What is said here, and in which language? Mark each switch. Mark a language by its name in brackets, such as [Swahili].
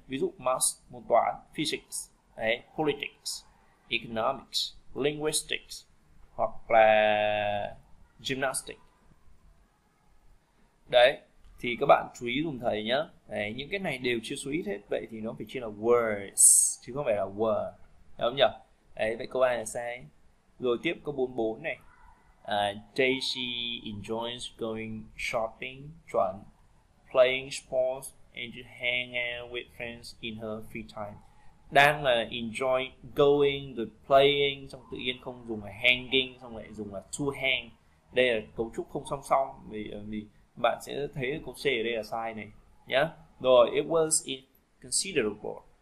[Vietnamese] Ví dụ Maths, môn toán, Physics, đấy, Politics, Economics, Linguistics hoặc là Gymnastics. Đấy, thì các bạn chú ý dùm thầy nhé. Đấy, những cái này đều chia số ít hết. Vậy thì nó phải chia là words chứ không phải là word. Đúng không nhỉ? Đấy, vậy câu A là sai. Rồi tiếp câu 44 này. [English] Daisy enjoys going shopping, chuẩn, playing sports and hanging out with friends in her free time. [Vietnamese] Đang là enjoy going the playing, xong tự nhiên không dùng là hanging, xong lại dùng là to hang. Đây là cấu trúc không song song vì bạn sẽ thấy câu C ở đây là sai này nhá. [English] Rồi it was inconsiderable.